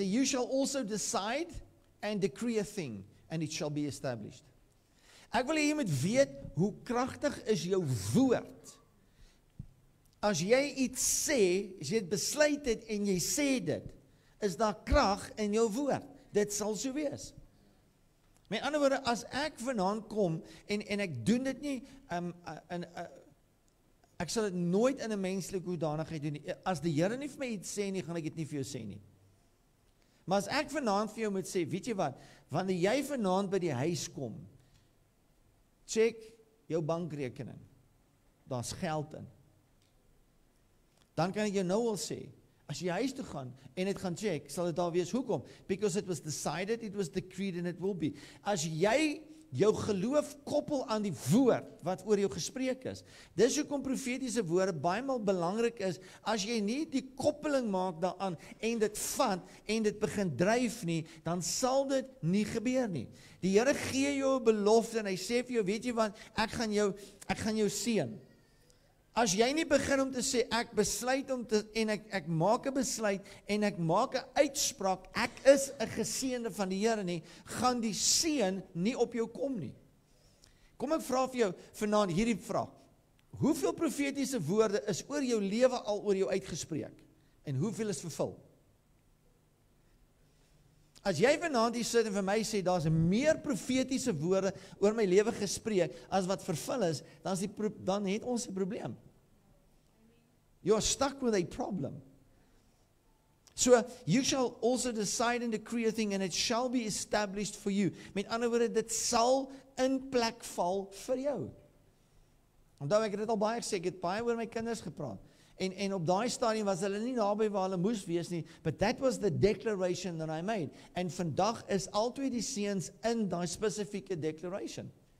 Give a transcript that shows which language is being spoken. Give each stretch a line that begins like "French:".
Afrikaans: Hy sê,
English: you shall also decide and decree a thing, and it shall be established.
Afrikaans: Ek wil hier met weet, hoe krachtig is jou woord, as jy iets sê, as jy het besluit het en jy sê dit, is daar krag in jou woord. Dit sal so wees. Met ander woorde, as ek vanaan kom, en ek doen dit nie, ek sal dit nooit in 'n menslike hoedanigheid doen nie. As die Here nie vir my iets sê nie, gaan ek dit nie vir jou sê nie. Maar as ek vanaan vir jou moet sê, weet jy wat, wanneer jy vanaan by die huis kom, check jou bankrekening, daar's geld in. Dan kan ek jou nou al sê, as jy huis toe gaan, en het gaan check, sal het daar wees, hoekom?
English: Because it was decided, it was decreed, and it will be.
Afrikaans: As jy jou geloof koppel aan die woord, wat oor jou gesprek is, dis hoekom profetiese woorde baie maal belangrik is, as jy nie die koppeling maak daaraan, en dit vat, en dit begin drijf nie, dan sal dit nie gebeur nie. Die Here gee jou belofte, en hy sê vir jou, weet jy wat, ek gaan jou seën. As jy nie begin om te sê, ek besluit om te, en ek maak 'n besluit, en ek maak 'n uitspraak, ek is 'n geseënde van die Here nie, gaan die seën nie op jou kom nie. Kom ek vraag vir jou, vanaand hierdie vraag, hoeveel profetiese woorde is oor jou lewe al oor jou uitgespreek, en hoeveel is vervul? As jy vanaand hier sit en vir my sê, daar is meer profetiese woorde oor my lewe gespreek, as wat vervul is, dan het ons 'n probleem.
English: You are stuck with a problem. So, you shall also decide and decree a thing, and it shall be established for you.
Afrikaans: Met ander woorde, dit sal in plek val vir jou. Omdat ek dit al baie gesê, ek het baie oor my kinders gepraat. En op daai stadium was hulle nie naby waar hulle moes wees nie,
English: but that was the declaration that I made.
Afrikaans: En vandag is al twee die seuns in daai spesifieke declaration.